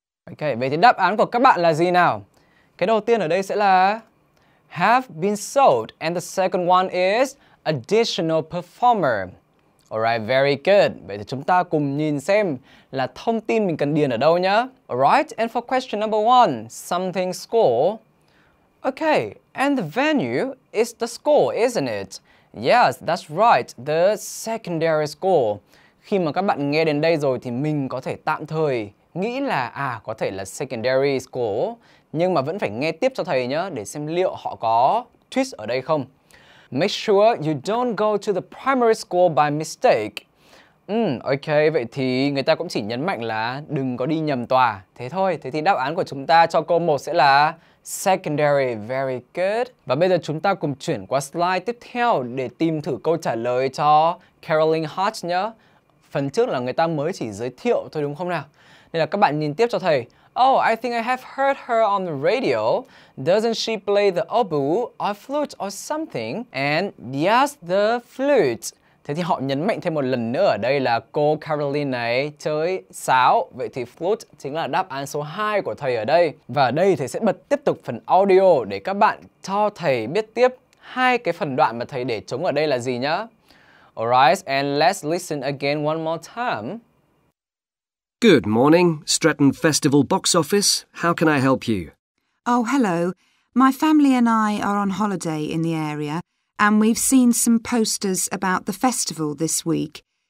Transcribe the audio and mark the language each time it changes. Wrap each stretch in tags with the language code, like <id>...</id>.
<vi>Ok, vậy thì đáp án của các bạn là gì nào? Cái đầu tiên ở đây sẽ là</vi> <en>have been sold, and the second one is additional performer. Alright, very good.</en> <vi>Vậy thì chúng ta cùng nhìn xem là thông tin mình cần điền ở đâu nhá.</vi> <en>Alright, and for question number one, something score. Okay, and the venue is the school, isn't it? Yes, that's right, the secondary school.</en> <vi>Khi mà các bạn nghe đến đây rồi thì mình có thể tạm thời nghĩ là có thể là secondary school. Nhưng mà vẫn phải nghe tiếp cho thầy nhá, để xem liệu họ có twist ở đây không?</vi> <en>Make sure you don't go to the primary school by mistake.</en> <vi>Ok, vậy thì người ta cũng chỉ nhấn mạnh là đừng có đi nhầm tòa. Thế thôi, thế thì đáp án của chúng ta cho câu 1 sẽ là secondary,</vi> <en>very good.</en> <vi>Và bây giờ chúng ta cùng chuyển qua slide tiếp theo để tìm thử câu trả lời cho Caroline Hodge nhé. Phần trước là người ta mới chỉ giới thiệu thôi đúng không nào? Nên là các bạn nhìn tiếp cho thầy.</vi> <en>Oh, I think I have heard her on the radio. Doesn't she play the oboe or flute or something? And yes, the flute.</en> <vi>Thế thì họ nhấn mạnh thêm một lần nữa ở đây là cô Caroline này chơi sáo. Vậy thì flute chính là đáp án số 2 của thầy ở đây. Và ở đây thầy sẽ bật tiếp tục phần audio để các bạn cho thầy biết tiếp hai cái phần đoạn mà thầy để trống ở đây là gì nhá.</vi> <en>Alright, and let's listen again one more time. Good morning, Stratton Festival Box Office. How can I help you? Oh, hello. My family and I are on holiday in the area, and we've seen some posters about the festival this week.</en>